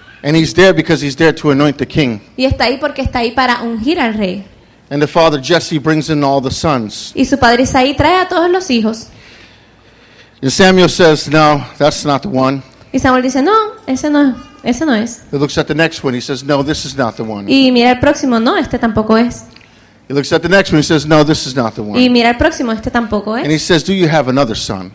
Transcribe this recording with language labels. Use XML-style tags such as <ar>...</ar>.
<en>And he's there because he's there to anoint the king.</en> <es>Y está ahí porque está ahí para ungir al rey.</es> <en>And the father Jesse brings in all the sons.</en> <es>Y su padre Isaí trae a todos los hijos.</es> <en>And Samuel says, "No, that's not the one."</en> <es>Y Samuel dice, "No, ese no es."</es> <en>He looks at the next one. He says, "No, this is not the one."</en> <es>Y mira el próximo, "No, este tampoco es."</es> <en>He looks at the next one. He says, "No, this is not the one."</en> <es>Y mira el próximo, "Este tampoco es."</es> <en>And he says, "Do you have another son?"</en>